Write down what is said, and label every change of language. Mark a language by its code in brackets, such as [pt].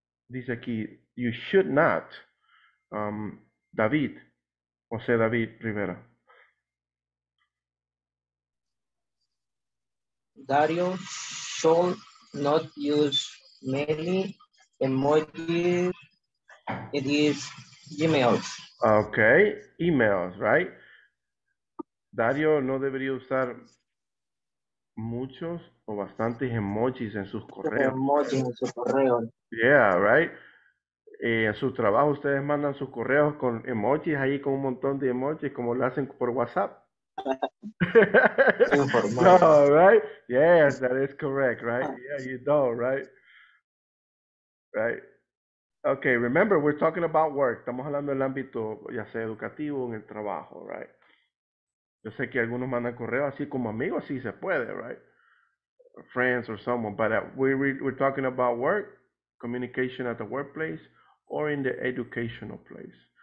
[es] Dice aquí, [en] you should not, David, José David Rivera. Dario should not use many emojis in his emails. Okay, emails, right? [es] Dario no debería usar muchos o bastantes emojis en sus correos. Emojis en su correo. [en] Yeah, right. [es] En su trabajo ustedes mandan sus correos con emojis ahí con un montón de emojis como lo hacen por WhatsApp. [en] No, right? Yes, that is correct, right? Yeah, you don't, right? Right. Okay, remember, we're talking about work. [es] Estamos hablando del ámbito, ya sea educativo, en el trabajo, right? Yo sé que algunos mandan correo así como amigos, sí se puede, right? [en] Friends or someone, but we're talking about work, communication at the workplace, or in the educational place.